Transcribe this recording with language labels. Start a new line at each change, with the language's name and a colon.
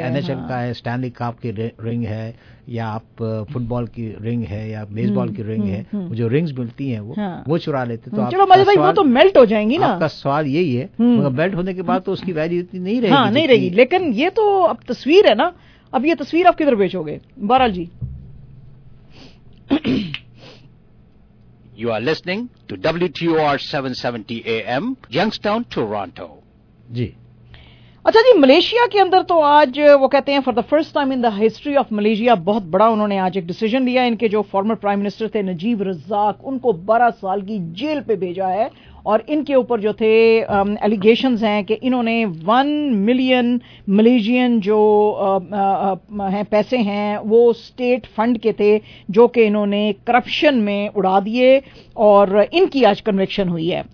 Hindi: चाहे एनएचएल का है, स्टैनली कप की रिंग है, या आप फुटबॉल की रिंग है, या बेसबॉल की रिंग है, वो जो रिंग्स मिलती हैं वो चुरा लेते हैं। तो चलो मजे भाई, वो तो मेल्ट हो जाएंगी ना, आपका सवाल यही है, मेल्ट होने के बाद तो उसकी वैल्यू नहीं रहेगी, नहीं रहेगी। लेकिन ये तो अब तस्वीर है ना, अब ये तस्वीर आप किधर बेचोगे। बहरहाल जी,
English: You are listening to WTOR 770 AM, Youngstown, Toronto.
Hindi: जी अच्छा जी, मलेशिया के अंदर तो आज वो कहते हैं
English: for the first time in the history of Malaysia
Hindi: बहुत बड़ा उन्होंने आज एक डिसीजन लिया, इनके जो फॉर्मर प्राइम मिनिस्टर थे नजीब रजाक उनको 12 साल की जेल पे भेजा है, और इनके ऊपर जो थे एलिगेशंस हैं कि इन्होंने 1 मिलियन मलेशियन जो हैं पैसे हैं वो स्टेट फंड के थे जो कि इन्होंने करप्शन में उड़ा दिए, और इनकी आज कन्विक्शन हुई है।